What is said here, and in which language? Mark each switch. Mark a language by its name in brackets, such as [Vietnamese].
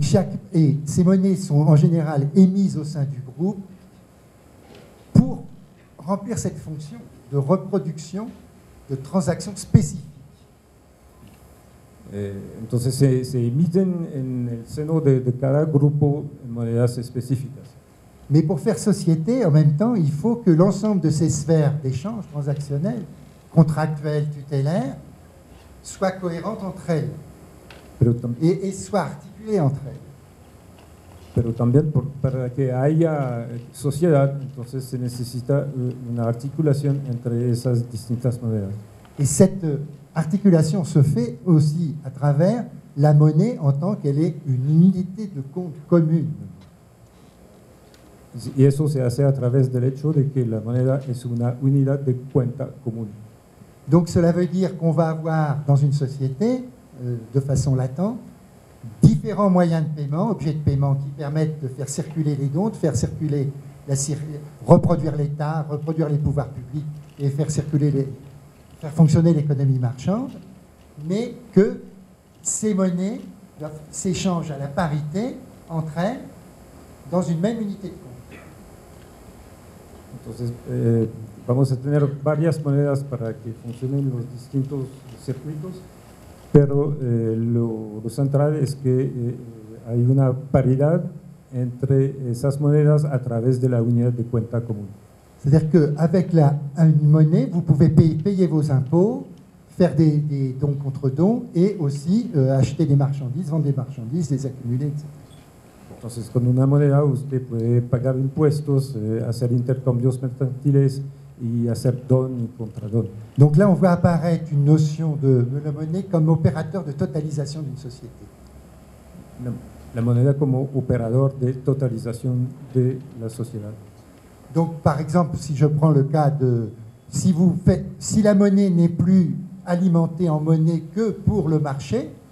[French] chaque et ces monnaies sont en général émises au sein du groupe pour remplir cette fonction de reproduction de transactions spécifiques. [Spanish] Entonces se emiten en el seno de cada grupo monedas específicas. [French] Mais pour faire société, en même temps, il faut que l'ensemble de ces sphères d'échange transactionnel, contractuel, tutélaire soit cohérente entre elles et soit articulée entre elles. [Spanish] Pero también para que haya sociedad, entonces se necesita una articulación entre esas distintas monedas. [French] Et cette articulation se fait aussi à travers la monnaie en tant qu'elle est une unité de compte commune. [Spanish] Y eso se hace a través del hecho de que la moneda es una unidad de cuenta común. [French] Donc cela veut dire qu'on va avoir dans une société, de façon latente, différents moyens de paiement, objets de paiement qui permettent de faire circuler les dons, de faire circuler, reproduire l'État, reproduire les pouvoirs publics et faire circuler, faire fonctionner l'économie marchande, mais que ces monnaies doivent s'échanger à la parité entre elles dans une même unité de compte. [Spanish] Entonces, vamos a tener varias monedas para que funcionen los distintos circuitos, pero lo central es que hay una paridad entre esas monedas a través de la unidad de cuenta común. [French] C'est-à-dire que avec la monnaie, vous pouvez payer vos impôts, faire des dons contre dons et aussi acheter des marchandises, vendre des marchandises, les accumuler, etc. [Spanish] Entonces, con una moneda usted puede pagar impuestos, hacer intercambios mercantiles y hacer don y contradon. [French] Donc là, on voit apparaître une notion de la monnaie comme opérateur de totalisation d'une société. [Spanish] La moneda como operador de totalización de la sociedad. [French] Donc, par exemple, si je prends le cas de... Si la monnaie n'est plus alimentée en monnaie que pour le marché...